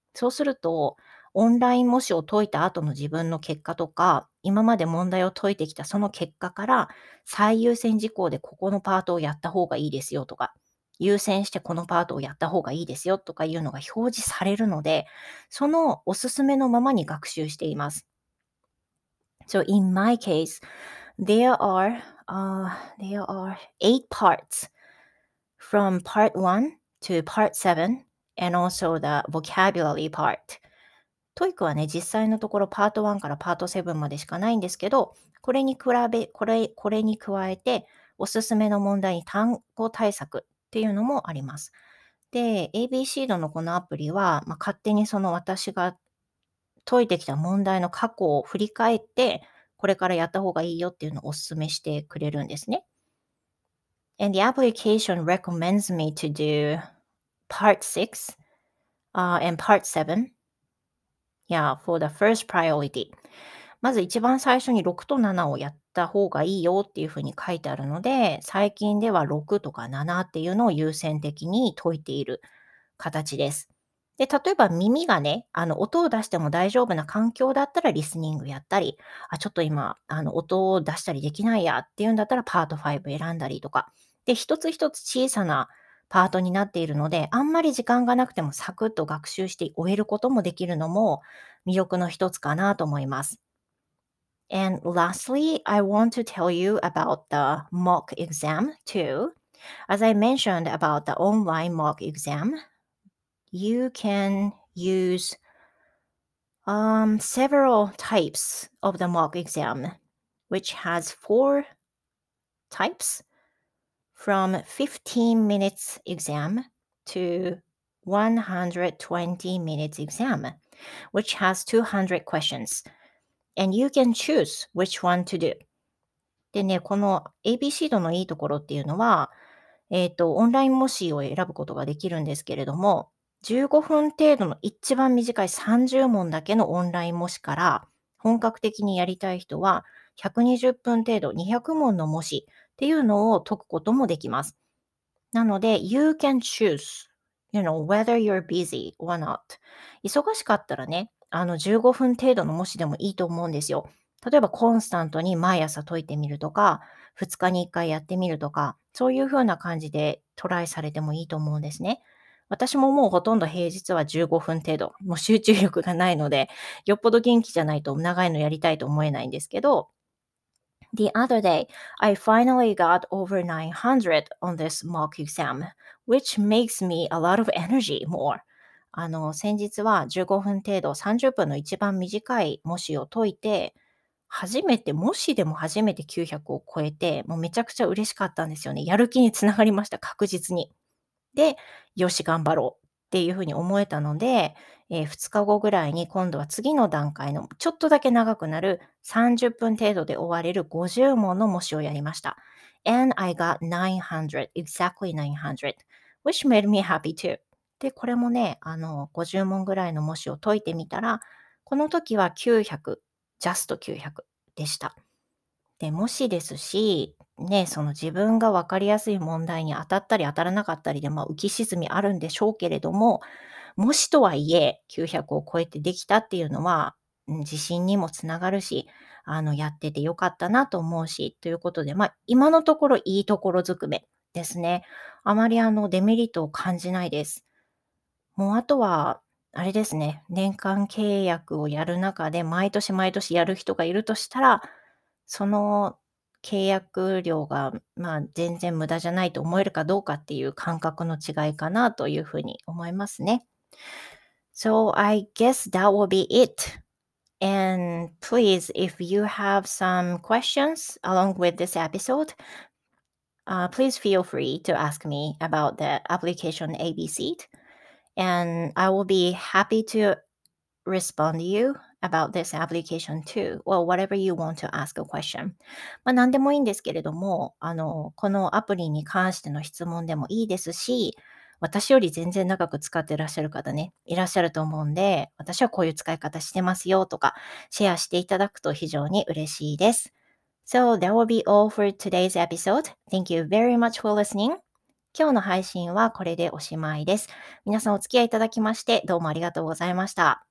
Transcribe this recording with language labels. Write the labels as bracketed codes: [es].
[ja] そうすると、オンライン模試を解いた後の自分の結果とか、今まで問題を解いてきたその結果から、最優先事項でここのパートをやった方がいいですよとか、優先してこのパートをやった方がいいですよとかいうのが表示されるので、そのおすすめのままに学習しています。 [en] So in my case, there are 8 parts from part 1 to part 7 and also the vocabulary part. [ja] TOEICはね、実際のところパート1からパート7までしかないんですけど、これに加えて、おすすめの問題に単語対策っていうのもあります。で、ABC 度のこのアプリは、まあ、勝手にその私が解いてきた問題の過去を振り返って、これからやった方がいいよっていうのをおすすめしてくれるんですね。 [en] And the application recommends me to do part 6, and part 7. Yeah, for the first priority. [ja] まず一番最初に6と7をやった方がいいよっていうふうに書いてあるので、最近では6とか7っていうのを優先的に解いている形です。で、例えば耳がね、音を出しても大丈夫な環境だったらリスニングやったり、あ、ちょっと今、音を出したりできないやっていうんだったらパート5選んだりとか。で、一つ一つ小さなパートになっているので、あんまり時間がなくてもサクッと学習して終えることもできるのも魅力の一つかなと思います。 [en] And lastly, I want to tell you about the mock exam too. As I mentioned about the online mock exam, you can use several types of the mock exam, which has 4 types. From 15 minutes exam to 120 minutes exam, which has 200 questions. And you can choose which one to do. [ja] でね、この ABC 度のいいところっていうのは、オンライン模試を選ぶことができるんですけれども、15分程度の一番短い30問だけのオンライン模試から、本格的にやりたい人は、120分程度、200問の模試、っていうのを解くこともできます。なので、 [en] you can choose, you know, whether you're busy or not. [ja] 忙しかったらね、15分程度の模試でもいいと思うんですよ。例えば、コンスタントに毎朝解いてみるとか、2日に1回やってみるとか、そういうふうな感じでトライされてもいいと思うんですね。私ももうほとんど平日は15分程度、もう集中力がないので、よっぽど元気じゃないと長いのやりたいと思えないんですけど、 [en] The other day, I finally got over 900 on this mock exam, which makes me a lot of energy more. [ja] 先日は15分程度、30分の一番短い模試を解いて、模試でも初めて900を超えて、もうめちゃくちゃ嬉しかったんですよね。やる気につながりました、確実に。で、よし、頑張ろうっていうふうに思えたので、2日後ぐらいに今度は次の段階のちょっとだけ長くなる30分程度で終われる50問の模試をやりました。 [en] And I got 900, exactly 900, which made me happy too. [ja] で、これもね、50問ぐらいの模試を解いてみたら、この時は900、 [en] just 900 [ja] でした。で、もしですし、ね、その自分が分かりやすい問題に当たったり当たらなかったりで、まあ、浮き沈みあるんでしょうけれども、もしとはいえ900を超えてできたっていうのは、うん、自信にもつながるし、やっててよかったなと思うし、ということで、まあ、今のところいいところづくめですね。あまりデメリットを感じないです。もうあとはあれですね、年間契約をやる中で毎年毎年やる人がいるとしたら、その契約料が、まあ、全然無駄じゃないと思えるかどうかっていう感覚の違いかなというふうに思いますね。 [en] So I guess that will be it. And please, if you have some questions along with this episode, please feel free to ask me about the application ABC. And I will be happy to respond to youAbout this application too. Well, whatever you want to ask a question. [ja] まあ何でもいいんですけれども、このアプリに関しての質問でもいいですし、私より全然長く使ってらっしゃる方ね、いらっしゃると思うんで、私はこういう使い方してますよとか、シェアしていただくと非常に嬉しいです。 [en] So that will be all for today's episode. Thank you very much for listening. [ja] 今日の配信はこれでおしまいです。皆さんお付き合いいただきまして、どうもありがとうございました。